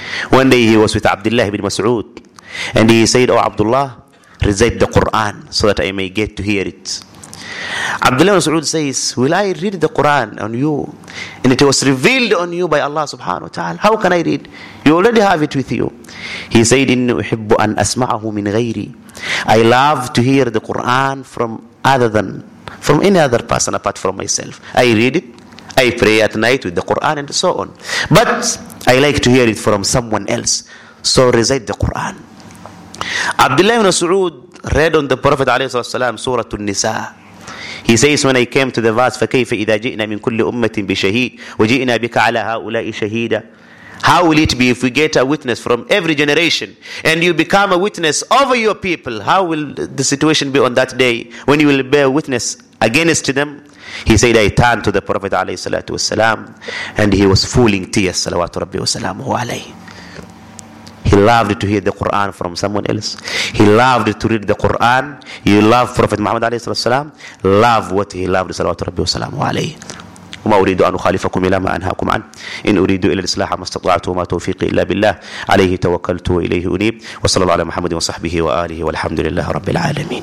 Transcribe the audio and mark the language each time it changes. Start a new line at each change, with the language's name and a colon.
English: One day he was with Abdullah ibn Mas'ud and he said, oh Abdullah, recite the Quran so that I may get to hear it. Abdullah ibn Mas'ud says, will I read the Quran on you? And it was revealed on you by Allah subhanahu wa ta'ala. How can I read? You already have it with you. He said,
Arabic: إِنِّ أُحِبُّ أَنْ أَسْمَعَهُ مِنْ غَيْرِ.
English: I love to hear the Quran from any other person apart from myself. I read it. I pray at night with the Quran and so on. But I like to hear it from someone else. So recite the Quran. Abdullah ibn Mas'ud read on the Prophet alayhi wasallam Surah An-Nisa. He says, when I came to the verse,
Arabic: فَكَيْفَ إِذَا جِئْنَا مِنْ كُلِّ أُمَّةٍ بِشَهِيدٍ وَجِئْنَا بِكَ عَلَى هَؤُلَاءِ شَهِيدًا.
English: How will it be if we get a witness from every generation and you become a witness over your people? How will the situation be on that day when you will bear witness against them? He said, I turned to the Prophet alayhi salatu wasalam and he was fooling tears,
Arabic: salawatu rabbi wasalamu alayhi.
English: He loved to hear the Quran from someone else. He loved to read the Quran. He loved Prophet Muhammad alayhi salam. Love what he loved,
Arabic: salawatu rabbi wa salamu alayhi. وما أريد أن أخالفكم إلى ما أنهاكم عنه إن أريد إلا الإصلاح ما استطعت وما توفيقي إلا بالله عليه توكلت وإليه أنيب وصلى الله على محمد وصحبه وآله والحمد لله رب العالمين.